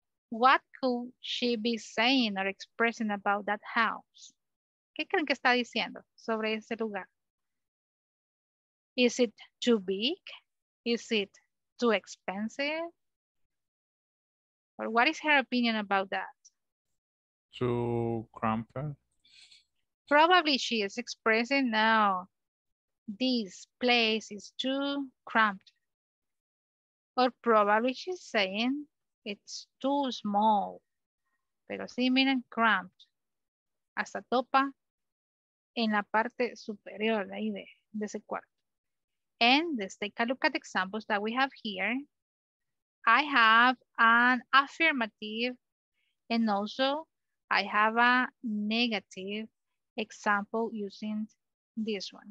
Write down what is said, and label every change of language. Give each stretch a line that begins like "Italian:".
English: What could she be saying or expressing about that house?
Spanish: ¿Qué creen que está diciendo sobre ese lugar?
English: Is it too big? Is it too expensive? Or what is her opinion about that? Too cramped? Probably she is expressing, no, this place is too cramped. Or probably she's saying it's too small.
Spanish: Pero sí, miren, cramped. Hasta topa en la parte superior de ahí de ese cuarto.
English: And let's take a look at the examples that we have here. I have an affirmative and also I have a negative example using this one.